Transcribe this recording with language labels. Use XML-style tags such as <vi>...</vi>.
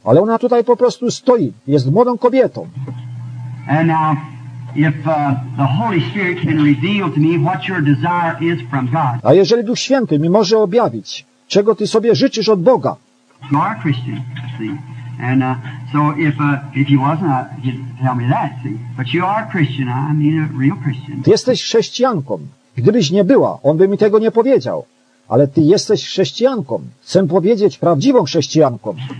<pl>Ale ona tutaj po prostu stoi, jest młodą kobietą.</pl> <en>And now, if the Holy Spirit can reveal to me what your desire is from God.</en> <pl>A jeżeli Duch Święty mi może objawić, czego ty sobie życzysz od Boga?</pl> <en>You are a Christian, see. And so if you wasn't, you'd tell me that, see. But you are a Christian. I mean a real Christian.</en> <pl>Ty jesteś chrześcijanką. Gdybyś nie była, on by mi tego nie powiedział. Ale ty jesteś chrześcijanką. Chcę powiedzieć prawdziwą chrześcijanką.</pl>